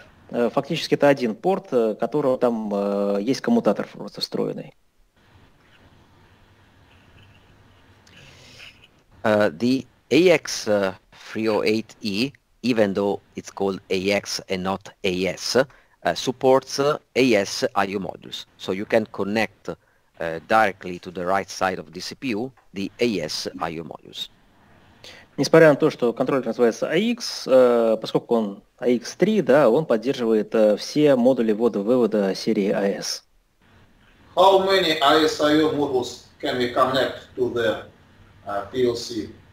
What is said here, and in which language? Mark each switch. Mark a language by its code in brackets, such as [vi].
[ru] Фактически это один порт, которого там есть коммутатор просто встроенный. [en] The AX308E, even though it's called AX and not AS, supports AS IO modules. So you can connect directly to the right side of the CPU the AS IO modules. [ru] Несмотря на то, что контроллер называется AX, поскольку он AX3, да, он поддерживает все модули ввода-вывода серии AS. [en] How many ASIO modules can we connect to the PLC?